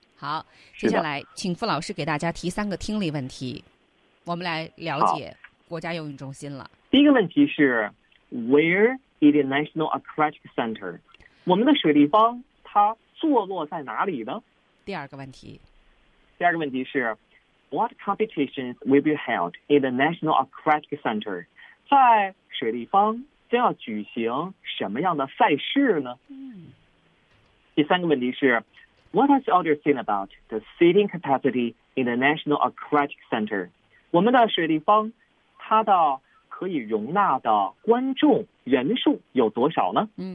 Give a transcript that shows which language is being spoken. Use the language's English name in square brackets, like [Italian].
[Chinese] 好，接下来请傅老师给大家提三个听力问题，我们来了解国家游泳中心了。第一个问题是 [English] Where is the National Aquatic Center? [Chinese] 我们的水立方它坐落在哪里呢？第二个问题。第二个问题是 [English] What competitions will be held in the National Aquatic Center? [Chinese] 在水立方将要举行什么样的赛事呢？第三个问题是 [English] What has the audience seen about the seating capacity in the National Aquatic Center? [Chinese] 我们的水立方它的可以容纳的观众人数有多少呢？